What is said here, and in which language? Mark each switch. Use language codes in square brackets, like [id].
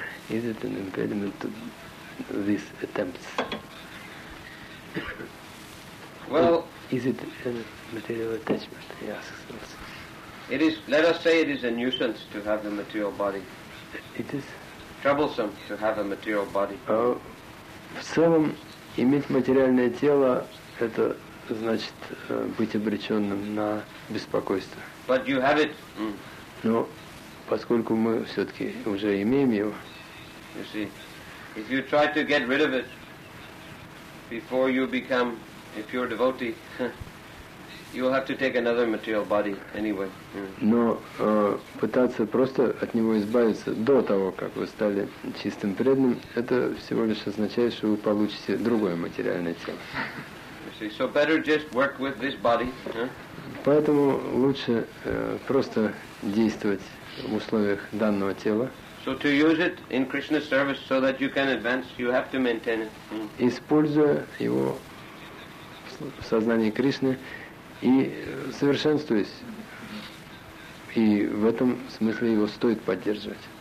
[en] Is it an impediment to these attempts? Well, is it a material attachment? He asks also. It is. Let us say it is a nuisance to have a material body. It is troublesome to have a material body. [ru] В целом, иметь материальное тело это значит быть обреченным на беспокойство. [en] But you have it. [ru] Но поскольку мы все-таки уже имеем его, [en] you see, if you try to get rid of it before you become a pure devotee, You will have to take another material body anyway. [ru] Но пытаться просто от него избавиться до того, как вы стали чистым преданным, это всего лишь означает, что вы получите другое материальное тело. [en] So better just work with this body. [ru] Поэтому лучше просто действовать в условиях данного тела. [en] So to use it in Krishna's service so that you can advance, you have to maintain it. [ru] Используя его в сознании Кришны и совершенствуясь, и в этом смысле его стоит поддерживать.